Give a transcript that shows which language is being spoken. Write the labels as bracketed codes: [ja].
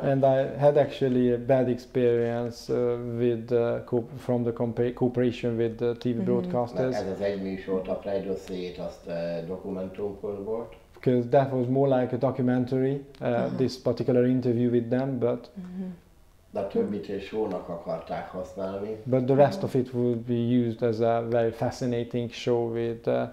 [en] And I had actually a bad experience with from the cooperation with the TV broadcasters. [hu] Ez az egy műsort, a Pride of Seat, azt dokumentumkor volt. [en] Because that was more like a documentary, this particular interview with them, but. [hu] De több mint egy show-nak akarták használni. [en] But the rest of it would be used as a very fascinating show with.